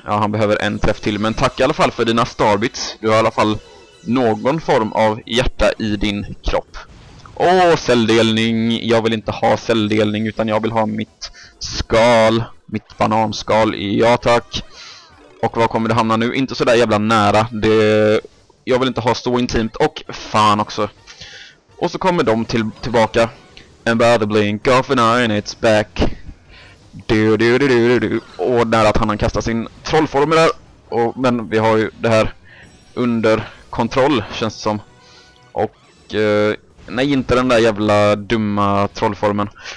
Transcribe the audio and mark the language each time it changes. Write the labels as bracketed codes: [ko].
[sv] Ja, han behöver en träff till. Men tack i alla fall för dina starbits. Du har i alla fall någon form av hjärta i din kropp. Åh, celldelning! Jag vill inte ha celldelning utan jag vill ha mitt skal. Mitt bananskal. Ja, tack! Och var kommer det hamna nu? Inte så där jävla nära. Jag vill inte ha så intimt. Och fan också. Och så kommer de tillbaka. [en] And by the blink of an eye and it's back. [sv] du. Och där att han kastar sin trollformel där. Och, men vi har ju det här under kontroll, känns det som. Och nej, inte den där jävla dumma trollformen.